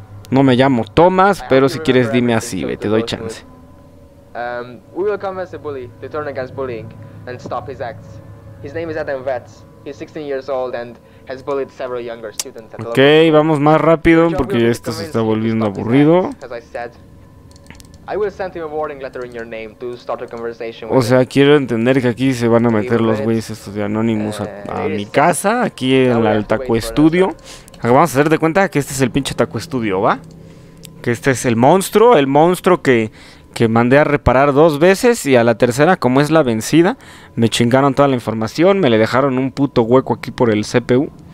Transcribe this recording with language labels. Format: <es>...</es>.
<es>No me llamo Thomas, pero si quieres dime así, güey. Te doy chance.</es> <en>We will convince the bully to turn against bullying and stop his acts. His name is Adam Vetz. He's 16 years old and has bullied several younger students at</en> <es>local. Okay, vamos más rápido porque esto se está volviendo aburrido.</es> <en>As I said, I will send him a warning letter in your name to start a conversation.</en> <es>O sea, quiero entender que aquí se van a meter los güeyes estos de Anonymous a mi casa, aquí en el Taco Studio. Vamos a hacer de cuenta que este es el pinche Taco Studio, ¿va? Que este es el monstruo que mandé a reparar dos veces y a la tercera, como es la vencida, me chingaron toda la información, me le dejaron un puto hueco aquí por el CPU.</es>